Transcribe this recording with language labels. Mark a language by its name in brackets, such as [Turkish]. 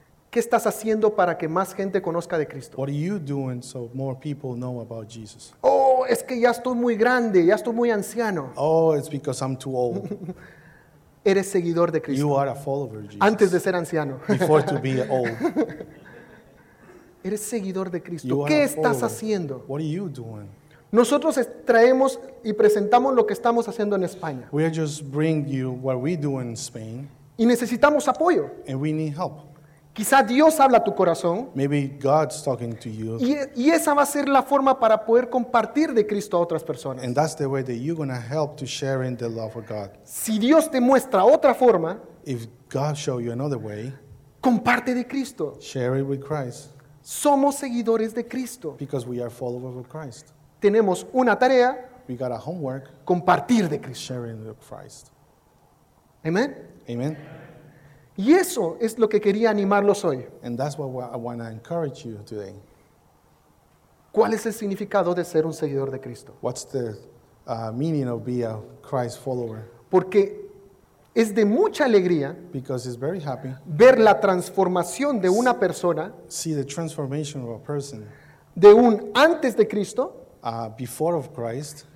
[Spanish] ¿Qué estás haciendo para que más gente conozca de Cristo? [English] What are you doing so more people know about Jesus? [Spanish] Oh, es que ya estoy muy grande, ya estoy muy anciano. [English] Oh, it's because I'm too old. [Spanish] Eres seguidor de Cristo. [English] You are a follower of Jesus. [Spanish] Antes de ser anciano. [English] Before to be old. [Spanish] Eres seguidor de Cristo. ¿Qué estás haciendo? [English] What are you doing? [Spanish] Nosotros traemos y presentamos lo que estamos haciendo en España. [English] We just bring you what we do in Spain. [Spanish] Y necesitamos apoyo. [English] And we need help. [Spanish] Quizá Dios habla a tu corazón. [English] Maybe God's talking to you. [Spanish] Y esa va a ser la forma para poder compartir de Cristo a otras personas. [English] And that's the way that you're going to help to share in the love of God. [Spanish] Si Dios te muestra otra forma, [English] if God show you another way, [Spanish] comparte de Cristo. [English] Share it with Christ. [Spanish] Somos seguidores de Cristo. [English] Because we are followers of Christ. [Spanish] Tenemos una tarea. [English] We got a homework. [Spanish] Compartir de Cristo. [English] Sharing with Christ. [Spanish] Amen. [English] Amen. [Spanish] Y eso es lo que quería animarlos hoy. [English] And that's what I want to encourage you today. [Spanish] ¿Cuál es el significado de ser un seguidor de Cristo? [English] What's the meaning of being a Christ follower? [Spanish] Porque es de mucha alegría. [English] Because it's very happy. [Spanish] Ver la transformación de una persona. [English] See the transformation of a person. [Spanish] De un antes de Cristo. [English] Before of Christ.